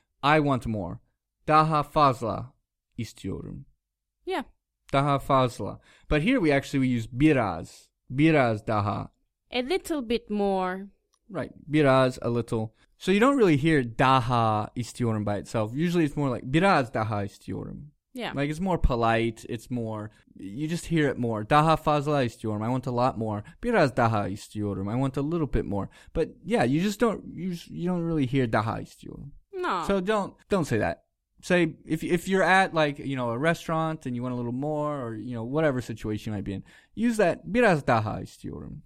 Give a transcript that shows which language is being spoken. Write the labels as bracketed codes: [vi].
[en] I want more. [tr] Daha fazla istiyorum. [en] Yeah. Daha fazla. But here we use biraz. [tr] Biraz daha. [en] A little bit more. Right. Biraz, a little. So you don't really hear [tr] daha istiyorum [en] by itself. Usually it's more like [tr] biraz daha istiyorum. [en] Yeah. Like, it's more polite. It's more, you just hear it more. [tr] Daha fazla istiyorum. [en] I want a lot more. [tr] Biraz daha istiyorum. [en] I want a little bit more. But yeah, you just don't, you don't really hear [tr] daha istiyorum. [en] No. So don't say that. Say, if you're at, like, you know, a restaurant and you want a little more, or, you know, whatever situation you might be in, use that [tr] biraz daha istiyorum.